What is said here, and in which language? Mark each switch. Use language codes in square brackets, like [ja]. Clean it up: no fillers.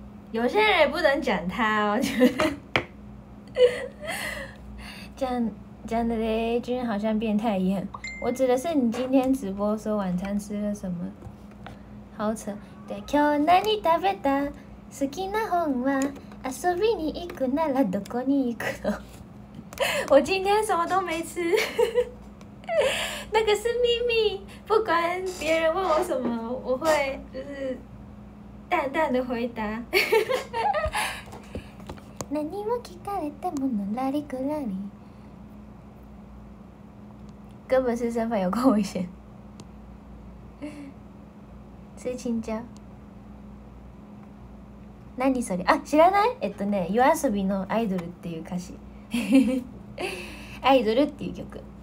[zh] 有些人也不能讲他哦，我觉得。讲的嘞，居然好像变态一样。我指的是你今天直播说晚餐吃了什么，好扯。 [ja] 对，今日何食べた？好きな本は遊びに行くならどこに行くの？ [zh] 我今天什么都没吃，那个是秘密。不管别人问我什么，我会就是淡淡的回答。 [ja] 何を聞かれてものらりくらり。 [zh] 根本是身份有够危险。吃青椒。 [ja] 何それ、あ、知らない？ね、夜遊びのアイドルっていう歌詞。アイドルっていう曲。